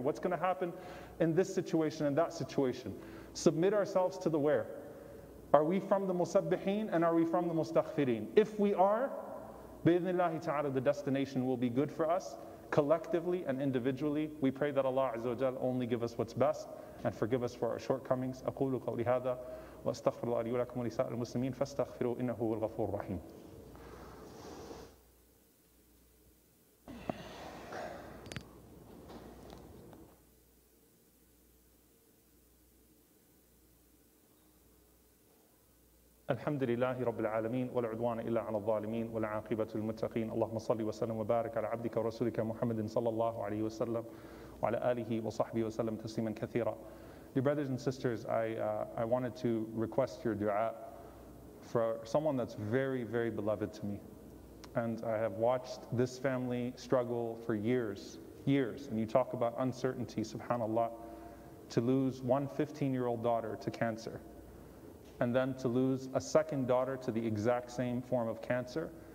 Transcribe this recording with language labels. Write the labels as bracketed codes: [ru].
[en] What's going to happen in this situation and that situation? Submit ourselves to the where. Are we from the musabbihin and are we from the mustaghfirin? If we are, bi-idhnillahi ta'ala, the destination will be good for us. Collectively and individually, we pray that Allah Azza wa Jal only give us what's best and forgive us for our shortcomings. [ar] أقول قولي هذا وأستغفر الله لي ولكم ولسائر المسلمين فاستغفروا إنه هو الغفور الرحيم. الحمد لله رب العالمين والعدوان إلا على الظالمين والعاقبة للمتقين اللهم صل وسلم وبارك على عبدك ورسولك محمد صلى الله عليه وسلم وعلى آله وصحبه وسلم تسليما كثيرا. [en] Dear brothers and sisters, I wanted to request your dua for someone that's very, very beloved to me. And I have watched this family struggle for years. And you talk about uncertainty, subhanAllah, to lose one 15-year-old daughter to cancer, and then to lose a second daughter to the exact same form of cancer,